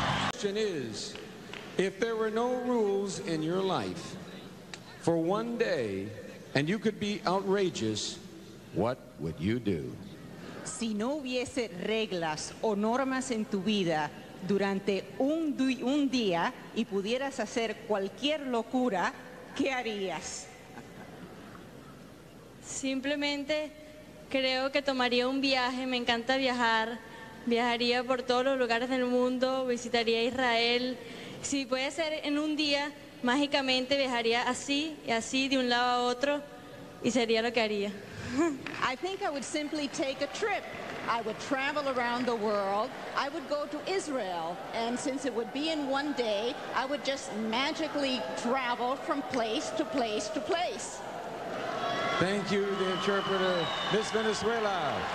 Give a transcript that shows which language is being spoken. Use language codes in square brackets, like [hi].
[en] question is, if there were no rules in your life for one day and you could be outrageous, what would you do? [es] Si no hubiese reglas o normas en tu vida durante un día y pudieras hacer cualquier locura, ¿qué harías? Simplemente creo que tomaría un viaje, me encanta viajar, viajaría por todos los lugares del mundo, visitaría Israel. Si puede ser en un día, mágicamente viajaría así y así de un lado a otro y sería lo que haría. [en] I think I would simply take a trip. I would travel around the world. I would go to Israel, and since it would be in one day, I would just magically travel from place to place to place. Thank you, the interpreter, Miss Venezuela.